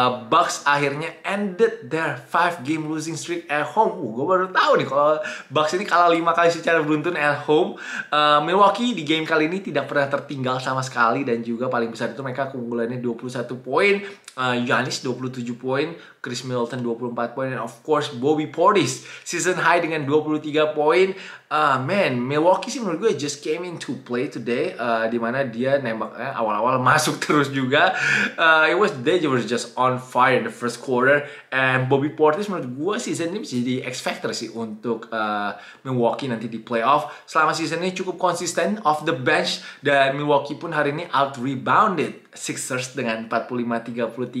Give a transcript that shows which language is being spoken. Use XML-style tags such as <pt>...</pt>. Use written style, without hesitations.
<en>Bucks akhirnya ended their 5 game losing streak at home.</en> <id>Gue baru tahu nih kalau Bucks ini kalah 5 kali secara beruntun at home. Milwaukee di game kali ini tidak pernah tertinggal sama sekali. Dan juga paling besar itu mereka keunggulannya 21 poin. Giannis 27 poin.</id> <en>Chris Middleton 24 poin. And of course Bobby Portis season high dengan 23 poin. Man, Milwaukee sih menurut gue just came into play today.</en> <id>Dimana dia nembaknya awal-awal masuk terus juga.</id> <en>They were just on fire in the first quarter.</en> <id>And Bobby Portis menurut gue season ini bisa jadi X-Factor sih untuk Milwaukee nanti di playoff. Selama season ini cukup konsisten off the bench. Dan Milwaukee pun hari ini out-rebounded Sixers dengan 45-33.</id>